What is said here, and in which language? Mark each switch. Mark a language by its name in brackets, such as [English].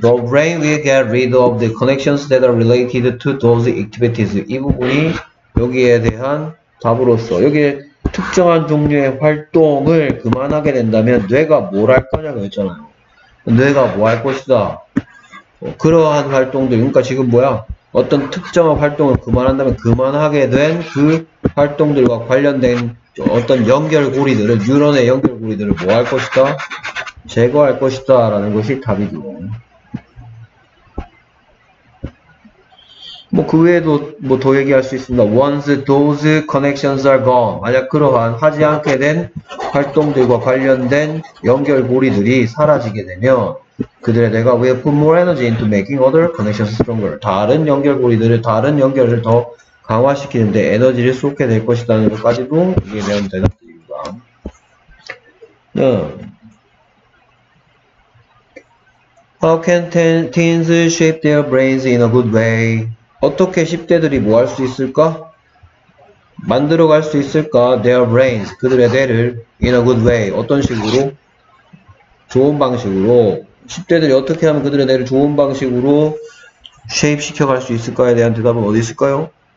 [English] The brain will get rid of the connections that are related to those activities. [Korean] 이 부분이 여기에 대한 답으로서 여기에 특정한 종류의 활동을 그만하게 된다면 뇌가 뭘 할 거냐고 했잖아요. 뇌가 뭐 할 것이다. 그러한 활동들, 그러니까 지금 뭐야? 어떤 특정한 활동을 그만한다면 그만하게 된 그 활동들과 관련된 어떤 연결고리들을, 뉴런의 연결고리들을 뭐 할 것이다? 제거할 것이다. 라는 것이 답이죠. 뭐, 그 외에도 뭐 더 얘기할 수 있습니다. [English] Once those connections are gone. [Korean] 만약 그러한 하지 않게 된 활동들과 관련된 연결고리들이 사라지게 되면 그들의 뇌가 [English] will put more energy into making other connections stronger. [Korean] 다른 연결고리들을, 다른 연결을 더 강화시키는데 에너지를 쏟게 될 것이라는 것까지도 이게 되면 대답드립니다. 네. [English] How can teens shape their brains in a good way? [Korean] 어떻게 10대들이 뭐 할 수 있을까? 만들어 갈 수 있을까? [English] Their brains, [Korean] 그들의 뇌를 [English] in a good way. [Korean] 어떤 식으로? 좋은 방식으로. 10대들이 어떻게 하면 그들의 뇌를 좋은 방식으로 shape 시켜갈 수 있을까에 대한 대답은 어디 있을까요?